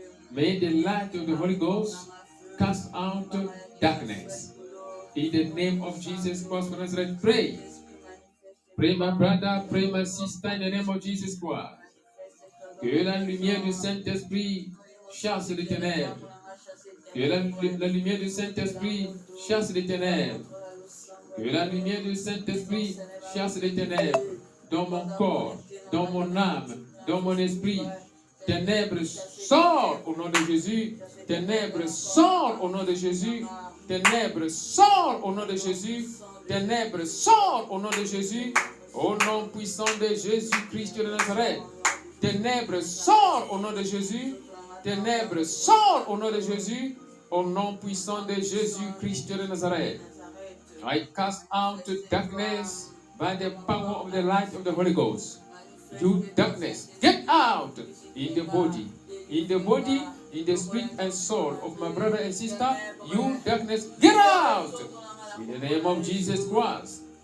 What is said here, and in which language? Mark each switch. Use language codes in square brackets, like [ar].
[en] May the light of the Holy Ghost cast out darkness. In the name of Jesus Christ of Nazareth, pray. Pray, my brother, pray, my sister, in the name of Jesus Christ. [fr] Que la lumière du Saint-Esprit chasse les ténèbres. Que la lumière du Saint-Esprit chasse les ténèbres. Que la lumière du Saint-Esprit chasse les ténèbres dans mon corps, dans mon âme, dans mon esprit. Ténèbres, sors au nom de Jésus. Ténèbres, sors au nom de Jésus. Ténèbres, sors au nom de Jésus. Ténèbres, sors au nom de Jésus. Au nom puissant de Jésus-Christ de Nazareth. Ténèbres, sors au nom de Jésus. Ténèbres, sors au nom de Jésus. Au nom puissant de Jésus-Christ de Nazareth. [en] I cast out darkness by the power of the light of the Holy Ghost. You darkness, get out in the body. In the body, in the spirit and soul of my brother and sister, you darkness, get out in the name of Jesus Christ.